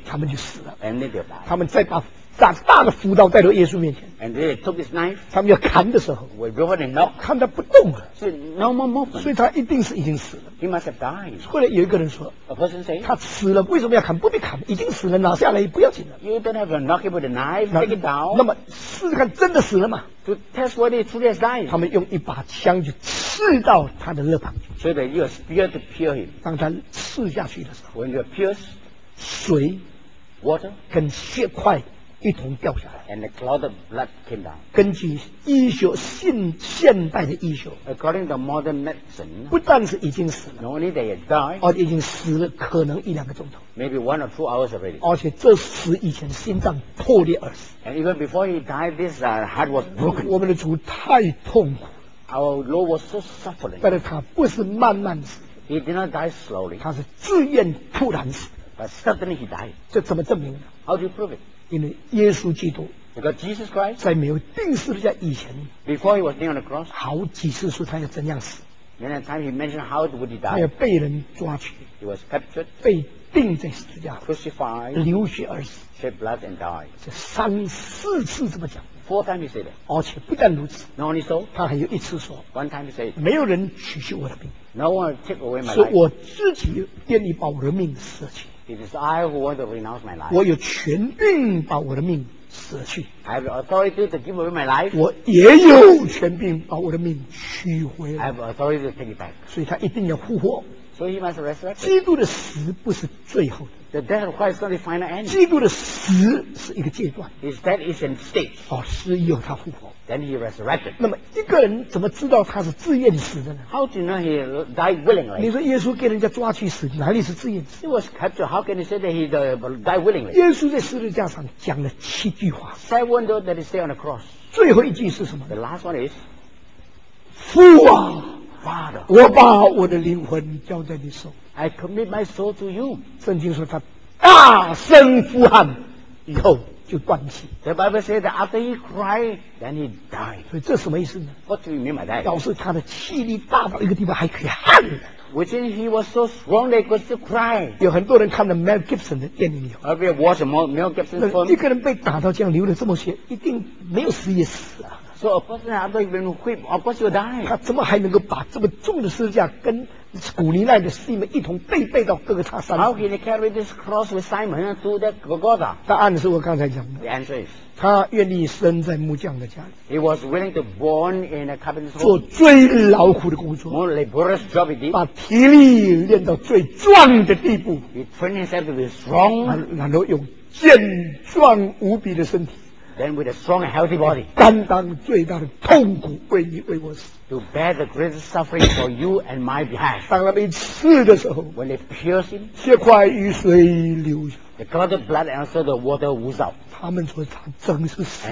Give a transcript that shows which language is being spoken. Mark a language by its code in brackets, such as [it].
[zh] 他们就死了。 [en] And they died. [zh] 他们再把大的斧刀带到耶稣面前。 [en] And they took his knife. [zh] 他们要砍的时候 [en] ，When Robert knocked， [zh] 看他不动了 [en] ，So no more movement。 [zh] 所以他一定是已经死了。 [en] He must have died. [zh] 后来有一个人说 [en] ，A person say， [zh] 他死了，为什么要砍？不必砍，已经死了，拿下来也不要紧了。 [en] You don't have to knock him with a knife. Take it down. [zh] 那么试试看，真的死了吗 [en] ？To test whether he truly has died. [zh] 他们用一把枪就刺到他的肋旁。 [en] So they use spear to pierce him. [zh] 当他刺下去的时候 [en] ，When you pierce， [zh] 水 [en] ，water， [zh] 跟血块一同掉下来。 [en] And a cloud of blood came down. [zh] 根据医学现代的医学 [en] ，According to modern medicine， [zh] 不但是已经死了 [en] ，Not only they had died， [zh] 而且已经死了可能一两个钟头 [en] ，Maybe one or two hours already。 [zh] 而且这死以前心脏破裂而死 [en] ，And even before he died， this heart was broken。 [zh] 我们的主太痛苦 [en] ，Our Lord was so suffering。 [zh] 但是他不是慢慢死 [en] ，He did not die slowly。 [zh] 他是自愿突然死 [en] ，But suddenly he died。 [zh] 这怎么证明 [en] ？How do you prove it？ [zh] 因为耶稣基督在没有钉十字架以前 [en] Before he was nailed on the cross， [zh] 好几次说他要怎样死 [en] Many times he mentioned how would he die， [zh] 他要被人抓去 [en] He was captured， [zh] 被钉在十字架 [en] Crucified， [zh] 流血而死 [en] Shed blood and die， [zh] 这三四次这么讲 [en] Four times he said it， [zh] 而且不但如此 [en] Not only so， [zh] 他还有一次说 [en] One time he said it， [zh] 没有人取去我的命 [en] No one took away my life， [zh] 是我自己愿意把我的命舍去 [en] It is I who want to renounce my life. [zh] 我有权柄把我的命舍去。 [en] I have authority to give away my life. [zh] 我也有权柄把我的命取回来。 [en] I have authority to take it back. [zh] 所以他一定要复活。 [en] So he must resurrect. [zh] 基督的死不是最后的。 [en] The death of Christ is not the final end. [zh] 基督的死是一个阶段。 [en] His death is a stage. [zh] 哦，死以后他复活。 [en] Then he resurrected. [zh] 那么一个人怎么知道他是自愿死的呢 [en] ？How do you know he died willingly？ [zh] 你说耶稣给人家抓去死，哪里是自愿死 [en] ？He was captured. How can you say that he died willingly？ [zh] 耶稣在十字架上讲了七句话。 [en] Seven words that he said on the cross. [zh] 最后一句是什么 [en] ？The last one is， [zh] 父啊 [en] ，Father， [zh] 我把我的灵魂交在你手。 [en] I commit my soul to you。 [zh] 圣经说他大声呼喊以后。就断气。 [en] The Bible says that after he cried, then he died. [zh] 所以这什么意思呢 [en] ？What do you mean by that？ [zh] 表示他的气力大到一个地方还可以喊。 [en] Which means he was so strong that he could still cry. [zh] 有很多人看了 Mel Gibson 的电影以后 [en] ，Have you watched Mel Gibson's film？ [zh] 一个人被打到这样流了这么血，一定没有死也死啊。 [en] So a person after he been whipped, of course he will die. [zh] 他怎么还能够把这么重的十字架跟古尼奈的西门一同背到哥哥他山 [en] ？How can he carry this cross with Simon to the Golgotha？ [zh] 答案是我刚才讲的。 [en] The answer is， [zh] 他愿意生在木匠的家里。 [en] He was willing to born in a carpenter's [zh] home。做最劳苦的工作。 [en] More laborious job he did。 [zh] 把体力练到最壮的地步。 [en] He trained himself to be strong。 [zh] 然后用健壮无比的身体。 [en] Then with a strong and healthy body， [zh] 担当最大的痛苦为你为我死 [en] ，to bear the greatest suffering for you and my behalf。 [zh] 当他们刺的时候 [en] ，when they pierce him， [zh] 血块与水流下 [en] ，the cloud of blood and also the water oozes out。 [zh] 他们说他真是死